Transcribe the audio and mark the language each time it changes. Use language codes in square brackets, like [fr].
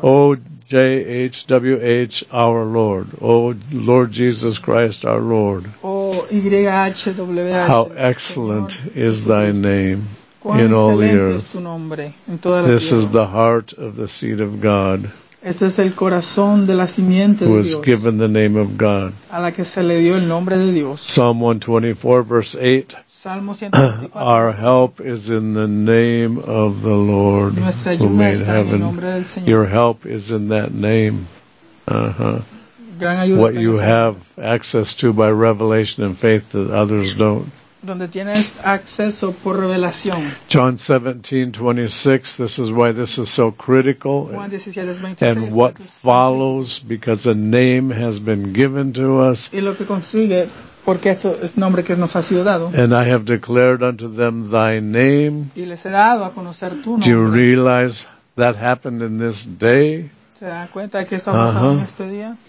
[en] O J-H-W-H, our Lord. O Lord Jesus Christ, our Lord. O Y-H-W-H. How excellent [es] Señor, [en] is thy name [es] cuán [en] in all the earth. [es] Es tu nombre en toda la [en] this [es] tierra. [en] Is the heart of the seed of God. [es] Este es el corazón de la simiente de Dios. [en] Who was given the name of God. [es] A la que se le dio el nombre de Dios. [en] Psalm 124, verse 8. Our help is in the name of the Lord who made heaven. Your help is in that name. Uh-huh. What you have access to by revelation and faith that others don't. John 17:26. This is why this is so critical. And what follows because a name has been given to us. [es] Porque esto es nombre que nos ha sido dado. [en] And I have declared unto them thy name. [es] Y les he dado a conocer tu nombre. [en] Do you realize that happened in this day? [es] ¿Se dan cuenta que esto ha pasado en este día?